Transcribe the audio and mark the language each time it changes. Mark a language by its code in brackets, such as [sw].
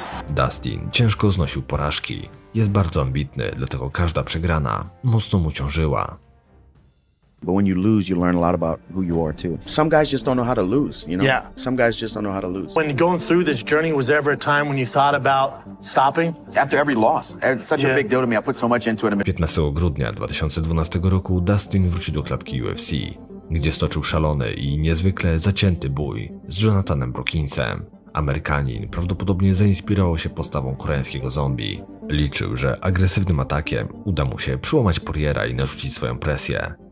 [pl] Dustin ciężko znosił porażki. Jest bardzo ambitny, dlatego każda przegrana mocno mu ciążyła. [en] But when you lose, you learn a lot about who you are too. Some guys just don't know how to lose, you know? Yeah. Some guys just don't know how to lose. When going through this journey, was there ever a time when you thought about stopping? After every loss, it's such a big deal to me. I put so much into it. [pl] 15 grudnia 2012 roku Dustin wrócił do klatki UFC, gdzie stoczył szalony i niezwykle zacięty bój z Jonathanem Brookinsem. Amerykanin prawdopodobnie zainspirował się postawą koreańskiego zombie. Liczył, że agresywnym atakiem uda mu się przyłamać Poiriera i narzucić swoją presję.